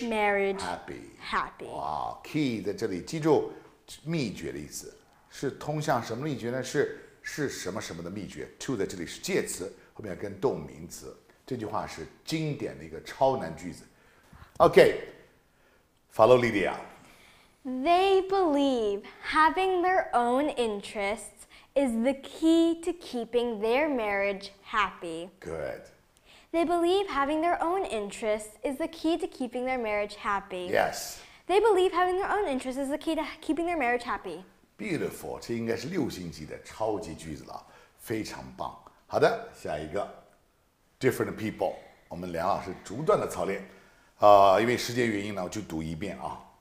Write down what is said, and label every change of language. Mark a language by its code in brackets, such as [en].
[en] Happy. Wow. [zh] Key 在这里，记住秘诀的意思，是通向什么秘诀呢？是什么什么的秘诀 ？To 在这里是介词，后面跟动名词。这句话是经典的一个超难句子。 [en] Okay. Follow Lydia. They believe having their own interests is the key to keeping their marriage happy. Good. They believe having their own interests is the key to keeping their marriage happy. Yes. They believe having their own interests is the key to keeping their marriage happy. Beautiful. [zh] 这应该是六星级的超级句子了，非常棒。好的，下一个 ， different people. 我们梁老师逐段的操练，因为时间原因呢，我就读一遍啊。